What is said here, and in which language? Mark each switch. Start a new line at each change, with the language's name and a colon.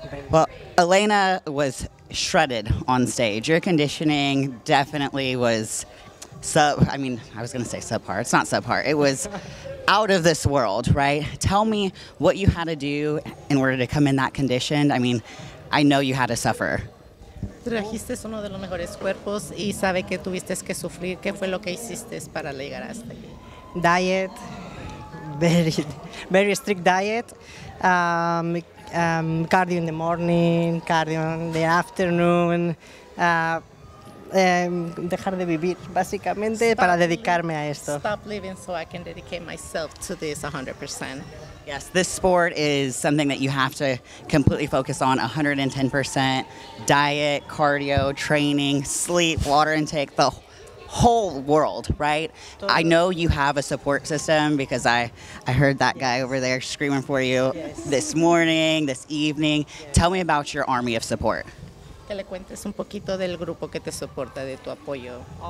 English: Well, Elena was shredded on stage. Your conditioning definitely was subpar. It's not subpar. It was out of this world, right? Tell me what you had to do in order to come in that conditioned. I mean, I know you had to suffer.
Spanish: Trajiste uno de los mejores cuerpos y sabe que tuviste que sufrir. ¿Qué fue lo que hiciste para llegar hasta aquí?
English: Diet. Very strict diet, cardio in the morning, cardio in the afternoon,
Spanish: dejar de vivir, básicamente, para dedicarme a esto.
English: Stop living so I can dedicate myself to this 100%. Yes, this sport is something that you have to completely focus on, 110%, diet, cardio, training, sleep, water intake, the whole world, right? Totally. I know you have a support system because I heard that guy over there screaming for you this morning, this evening. Yes. Tell me about your army of support.
Spanish: Que le cuentes un poquito del grupo que te soporta, de tu apoyo.